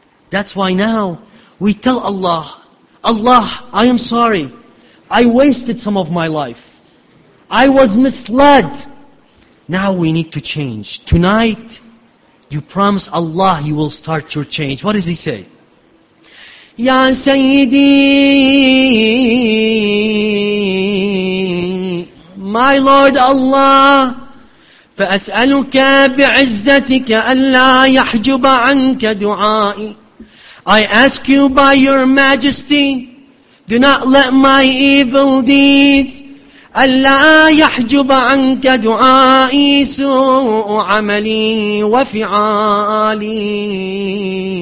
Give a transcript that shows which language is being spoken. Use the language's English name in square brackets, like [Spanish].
[English] That's why now we tell Allah, Allah, I am sorry. I wasted some of my life. I was misled. Now we need to change. Tonight, you promise Allah you will start your change. What does He say? [Arabic] يا سيدي, [English] my Lord Allah, [Arabic] فأسألك بعزتك ألا يحجب عنك دعائي. [English] I ask you by your majesty, do not let my evil deeds [Arabic] ألا يحجب عنك دعائي سوء عملي وفعالي.